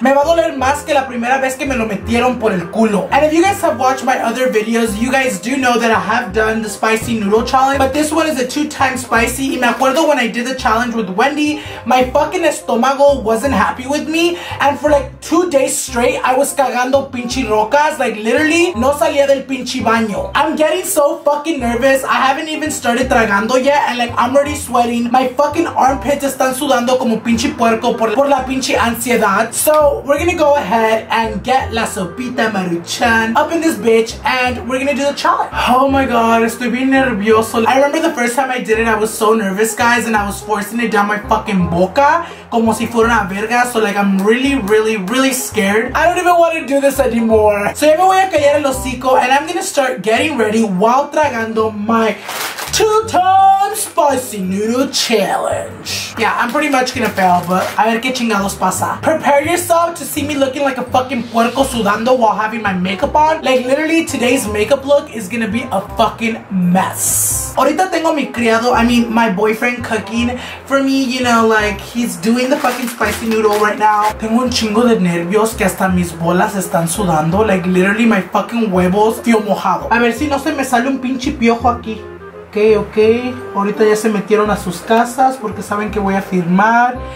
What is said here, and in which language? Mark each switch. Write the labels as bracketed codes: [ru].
[es] Me va a doler más que la primera vez que me lo metieron por el culo. [en] And if you guys have watched my other videos, you guys do know that I have done the spicy noodle challenge, but this one is a 2x spicy. [es] Y me acuerdo [en] when I did the challenge with Wendy, my fucking [es] estómago [en] wasn't happy with me, and for like 2 days straight I was [es] cagando pinche rocas, [en] like literally [es] no salía del pinche baño. [en] I'm getting so fucking nervous. I haven't even started [es] tragando [en] yet and like I'm already sweating. My fucking armpits [es] están sudando como pinche puerco por la pinche ansiedad. [en] So we're gonna go ahead and get [es] la sopita maruchan [en] up in this bitch and we're gonna do the challenge. Oh my god, [es] estoy bien nervioso. [en] I remember the first time I did it, I was so nervous, guys, and I was forcing it down my fucking [es] boca como si fuera una verga. [en] So like I'm really, really, really scared. I don't even want to do this anymore. So [es] ya me voy a callar el hocico [en] and I'm gonna start getting ready while [es] tragando [en] my 2x spicy noodle challenge. Yeah, I'm pretty much gonna fail, but [es] a ver qué chingados pasa. [en] Prepare yourself to see me looking like a fucking [es] puerco sudando [en] while having my makeup on. Like, literally, today's makeup look is gonna be a fucking mess. [es] Ahorita tengo mi criado, [en] I mean, my boyfriend cooking for me, you know, like, he's doing the fucking spicy noodle right now. [es] Tengo un chingo de nervios que hasta mis bolas están sudando. [en] Like, literally, my fucking [es] huevos fio mojado. A ver si no se me sale un pinche piojo aquí. [en] Okay, okay. [es] Ahorita ya se metieron a sus casas porque saben que voy a firmar.